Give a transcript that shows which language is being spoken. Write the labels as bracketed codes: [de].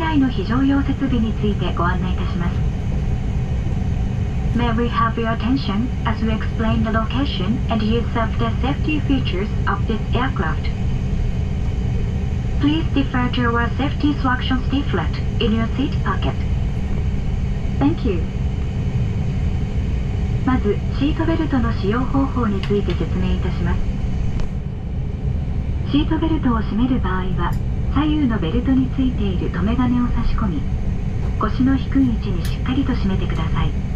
[ja] 非常用設備についてご案内いたします。 [en] May we have your attention as we explain the location and use of the safety features of this aircraft. Please defer to your safety instructions leaflet in your seat pocket. Thank you. [ja] まずシートベルトの使用方法について説明いたします。シートベルトを締める場合は左右のベルトについている留め金を差し込み、腰の低い位置にしっかりと締めてください。